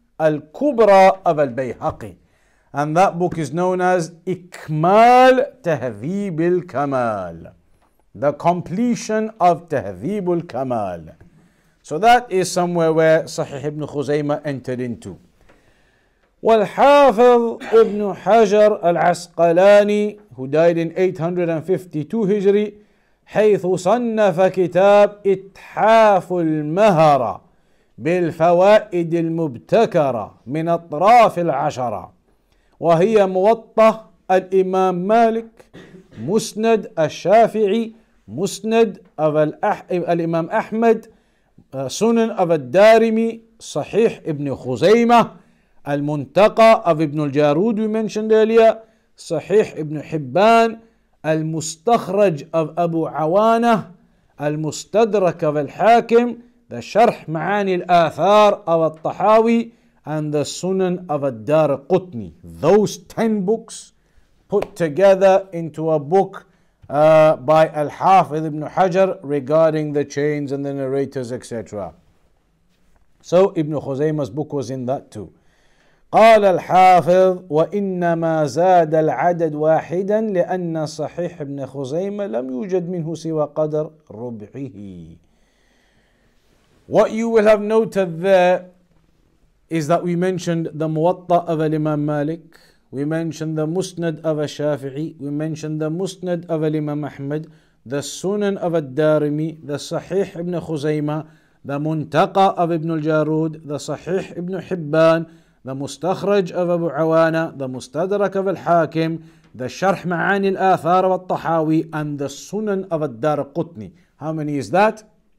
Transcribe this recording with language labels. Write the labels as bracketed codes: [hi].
[en] al-Kubra of al-Bayhaqi. And that book is known as Ikmal Tahdhib al-Kamal, the completion of Tahdhib al-Kamal. So that is somewhere where Sahih ibn Khuzaymah entered into. Wal-Hafiz ibn Hajar al-Asqalani, who died in 852 Hijri, [ar] حيث صنف كتاب إتحاف المهرة بالفوائد المبتكرة من أطراف العشرة وهي موطأ الإمام مالك مسند الشافعي مسند الإمام أحمد سنن أبا الدارمي صحيح ابن خزيمة المنتقى أبو ابن الجارود [en] we mentioned earlier [ar] صحيح ابن حبان المستخرج of أبو عوانة المستدرك of الحاكم the شرح معاني الآثار of الطحاوي and the Sunan of الدارقطني. [en] Those 10 books put together into a book by Al-Hafiz ibn Hajar regarding the chains and the narrators etc. So Ibn Khuzaymah's book was in that too. [ar] قال الحافظ وإنما زاد العدد واحدا لأن صحيح ابن خزيمة لم يوجد منه سوى قدر ربعه. [en] What you will have noted there is that we mentioned the Muwatta of Imam Malik, we mentioned the Musnad of Shafi'i, we mentioned the Musnad of Imam Ahmad, the Sunan of Ad-Darimi, the Sahih ibn Khuzaymah, the Muntaqa of Ibn al-Jarud, the Sahih ibn Hibban, the Mustakhraj of Abu Awana, the Mustadrak of Al-Hakim, the Sharh Ma'ani Al-Athar of Al-Tahawi, and the Sunan of Ad-Darqutni. How many is that?